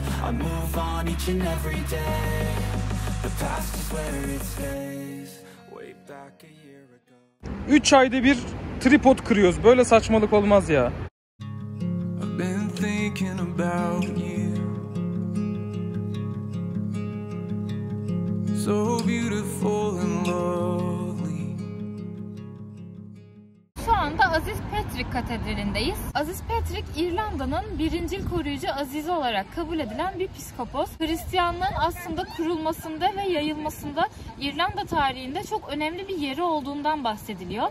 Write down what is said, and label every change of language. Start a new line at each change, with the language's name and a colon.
English: I move on each and every day. The past is where it stays. Way back a year ago.
Turkish: 3 ayda bir tripod kırıyoruz. Böyle saçmalık olmaz ya.
English: I've been thinking about you. So beautiful and lovely.
Turkish: Şu anda Aziz Patrick Katedrali'ndeyiz. Aziz Patrick, İrlanda'nın birincil koruyucu azizi olarak kabul edilen bir psikopos. Hristiyanlığın aslında kurulmasında ve yayılmasında İrlanda tarihinde çok önemli bir yeri olduğundan bahsediliyor.